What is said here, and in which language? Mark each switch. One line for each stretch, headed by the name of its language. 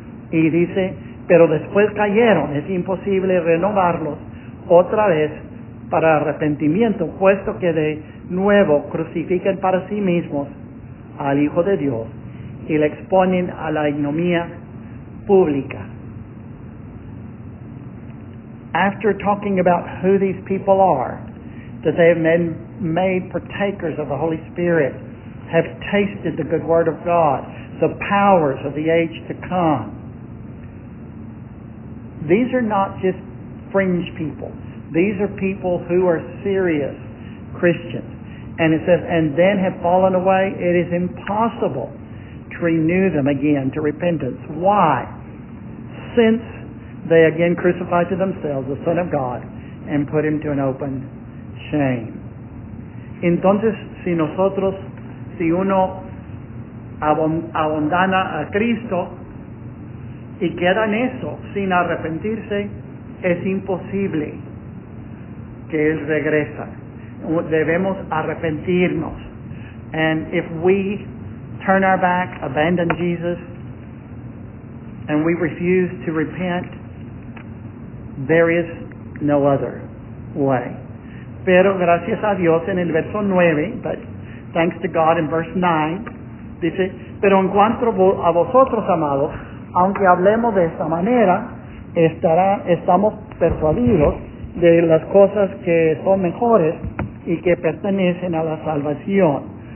Spanish: Y dice, pero después cayeron, es imposible renovarlos otra vez para arrepentimiento, puesto que de nuevo crucifican para sí mismos al Hijo de Dios y le exponen a la ignominia pública.
English: After talking about who these people are, that they have been made partakers of the Holy Spirit, have tasted the good word of God, the powers of the age to come. These are not just fringe people. These are people who are serious Christians. And it says, and then have fallen away. It is impossible to renew them again to repentance. Why? Since they again crucified to themselves the Son of God and put him to an open shame.
Spanish: Entonces, si uno abandona a Cristo y queda en eso sin arrepentirse, es imposible que él regrese. Debemos arrepentirnos.
English: And if we turn our back, abandon Jesus, and we refuse to repent, there is no other way.
Spanish: Pero gracias a Dios en el verso 9,
English: but thanks to God in verse 9,
Spanish: dice, pero en cuanto a vosotros, amados, aunque hablemos de esta manera, estamos persuadidos de las cosas que son mejores y que pertenecen a la salvación.